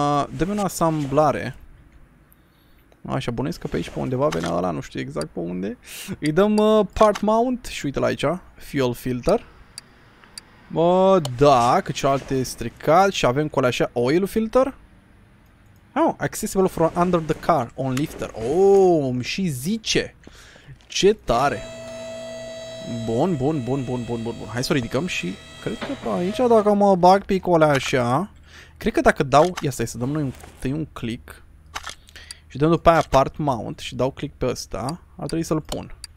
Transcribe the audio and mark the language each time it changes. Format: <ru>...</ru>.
<ro>Dă-mi o asamblare. Așa, bănuiesc că pe aici, pe undeva venea ăla, nu știu exact pe unde. Îi dăm part mount și uite-l aici, fuel filter. Bă, da, că celălalt e stricat și avem cu alea așa oil filter.</ro> <en>Oh, accessible from under the car, on lifter.</en> <ro>Oh, și zice. Ce tare. Bun, bun, bun, bun, bun, bun, bun. Hai să o ridicăm și cred că pe aici, dacă mă bag pe alea așa, cred că dacă dau, ia stai, să dăm noi un click. Și dăm după aia part mount și dau click pe ăsta, ar trebui să-l pun.</ro>